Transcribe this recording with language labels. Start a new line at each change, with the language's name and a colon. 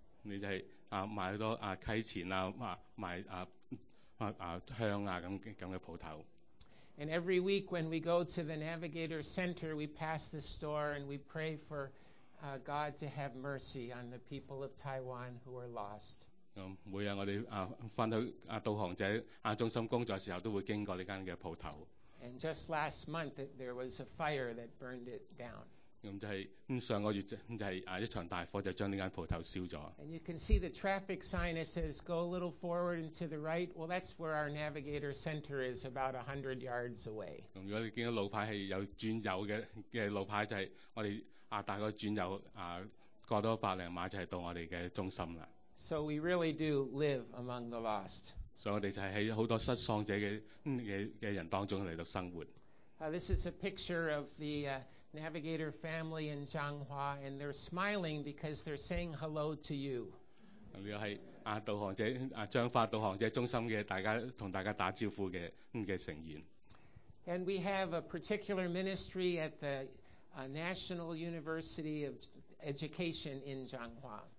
Cantonese: 你就係賣好多溪錢啊，賣香啊咁嘅鋪頭。
English: And every week when we go to the Navigator Center, we pass the store and we pray for God to have mercy on the people of Taiwan who are lost.
Cantonese: 每日我哋翻到导航者中心工作嘅时候，都会经过呢间嘅铺头。
English: And just last month, there was a fire that burned it down.
Cantonese: 上个月一场大火就将呢间铺头烧咗。
English: And you can see the traffic sign that says go a little forward and to the right. Well, that's where our Navigator Center is, about 100 yards away.
Cantonese: 如果你见到路牌系有转右嘅路牌，就系我哋大概转右过多百零码就系到我哋嘅中心啦。
English: So we really do live among the lost.
Cantonese: 所以我哋就係喺好多失喪者嘅人當中嚟到生活。
English: This is a picture of the Navigator family in Zhanghua, and they're smiling because they're saying hello to you.
Cantonese: 呢個係亞導航者亞彰化導航者中心嘅大家同大家打招呼嘅成員。
English: And we have a particular ministry at the National University of Education in Zhanghua.